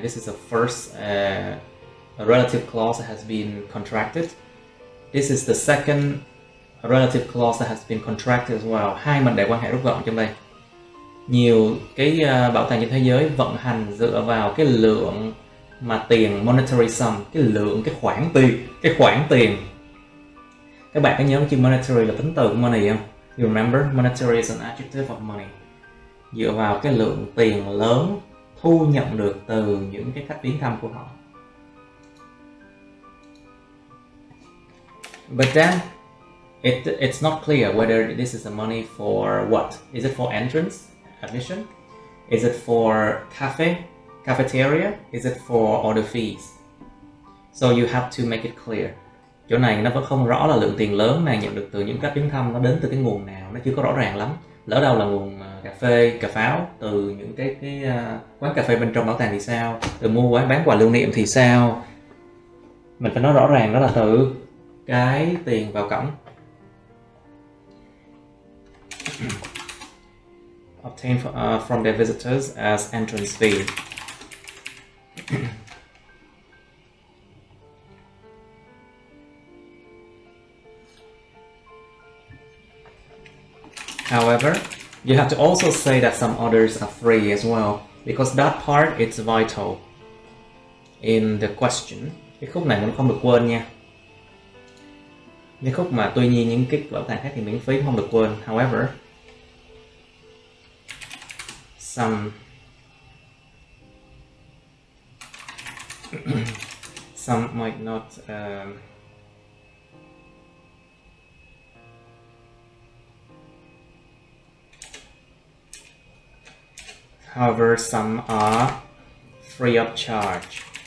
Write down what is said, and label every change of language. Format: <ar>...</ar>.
<en>This is the first relative clause that has been contracted. This is the second relative clause that has been contracted as well.</en> <vi>Hai mệnh đề quan hệ rút gọn trong đây. Nhiều cái bảo tàng trên thế giới vận hành dựa vào cái lượng mà tiền monetary sum, cái lượng, cái khoản tiền. Các bạn có nhớ chữ monetary là tính từ của money không?</vi> <en>You remember monetary is an adjective of money.</en> <vi>Dựa vào cái lượng tiền lớn thu nhận được từ những cái khách viếng thăm của họ.</vi> <en>But then it's not clear whether this is the money for what? Is it for entrance? Admission? Is it for cafeteria? Is it for order fees? So you have to make it clear.</en> <vi>Chỗ này nó vẫn không rõ là lượng tiền lớn này nhận được từ những khách viếng thăm nó đến từ cái nguồn nào, nó chưa có rõ ràng lắm. Lỡ đâu là nguồn cà phê, cà pháo từ những cái quán cà phê bên trong bảo tàng thì sao? Từ mua quán bán quà lưu niệm thì sao? Mình phải nói rõ ràng đó là từ cái tiền vào cổng.</vi> <en>Obtained from their visitors as entrance fee. However, you have to also say that some others are free as well, because that part is vital in the question.</en> <vi>Cái khúc này cũng không được quên nha. Cái khúc mà tuy nhiên những cái bảo tàng khác thì miễn phí không được quên.</vi> <en>However, some might not however some are free of charge.</en>